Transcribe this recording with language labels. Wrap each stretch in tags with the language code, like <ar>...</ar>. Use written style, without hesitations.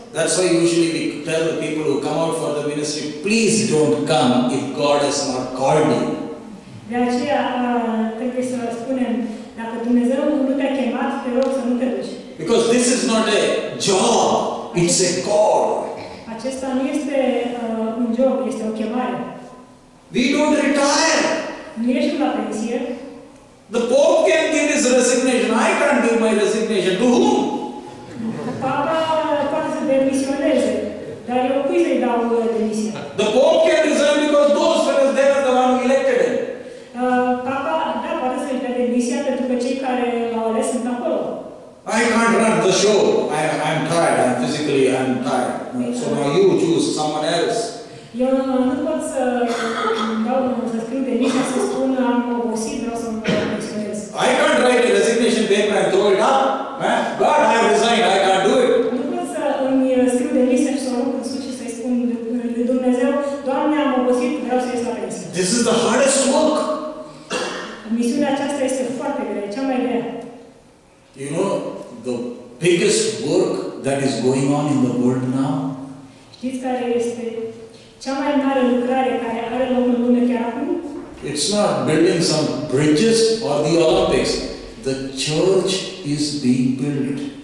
<en>That's why usually we tell the people who come out for the ministry, please don't come if God has not called you.</en> <ro>De aceea trebuie să spunem, dacă Dumnezeu nu te-a chemat, te rog să nu te duci.</ro> <en>Because this is not a job, it's a call.</en> <ro>Acesta nu este un job, este o chemare.</ro> <en>We don't retire.</en> <ro>Nu ești la pensie.</ro> <en>The Pope can give his resignation, I can't give my resignation. To whom?</en> <ro>Papa poate să demisioneze, dar eu cui să-i dau demisia?</ro> <en>The Pope can resign because those fellows, they are the one who elected him.</en> <ro>Papa, da, poate să-i dea demisia pentru că cei care l-au ales sunt acolo.</ro> <en>I can't run the show. I'm tired. I'm physically, I'm tired. So now you choose someone else.</en> <ro>Eu nu pot să dau să scriu demisia, să spun am obosit, vreau să mă pensionez.</ro> <en>I can't write a resignation paper and throw it up. God, I have resigned. I can't do it.</en> <ro>Nu pot să îmi scriu demisia și să o rup în sus și să-i spun lui Dumnezeu, Doamne, am obosit, vreau să ies la pensie.</ro> <en>This is the hardest work.</en> <ro>Misiunea aceasta este foarte grea, cea mai grea.</ro> <en>You know, the biggest work that is going on in the world now?</en> <ro>Știți care este cea mai mare lucrare care are loc în lume chiar acum?</ro> <en>It's not building some bridges or the Olympics. The church is being built.</en>